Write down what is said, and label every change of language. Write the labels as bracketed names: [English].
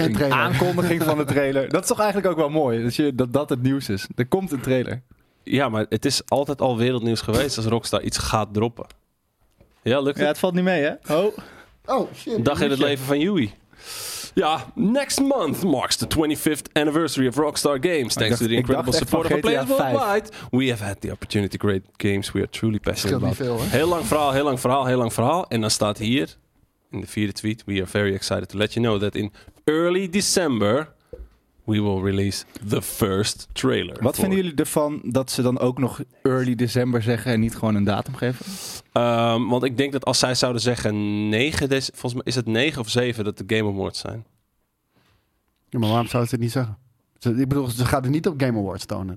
[Dutch] Aankondiging van de trailer. Dat is toch eigenlijk ook wel mooi, dat het nieuws is. Er komt een trailer. Ja, maar het is altijd al wereldnieuws geweest als Rockstar iets gaat droppen. Ja, lukt het? Ja, het valt niet mee, hè? Oh, shit. Een dag in het leven van Yui. [English] Ja, next month marks the 25th anniversary of Rockstar Games. Thanks to the incredible support of players worldwide. We have had the opportunity to create games we are truly passionate about. [Dutch] Veel, hè? Heel lang verhaal. En dan staat hier, in de vierde tweet, [English] we are very excited to let you know that in early December we will release the first trailer. [Dutch] Wat vinden jullie ervan dat ze dan ook nog [English] early December [Dutch] zeggen en niet gewoon een datum geven? Want ik denk dat als zij zouden zeggen 9 december, volgens mij is het 9 of 7 dat de Game Awards zijn. Ja, maar waarom zouden ze het niet zeggen? Ik bedoel, ze gaan het niet op Game Awards tonen.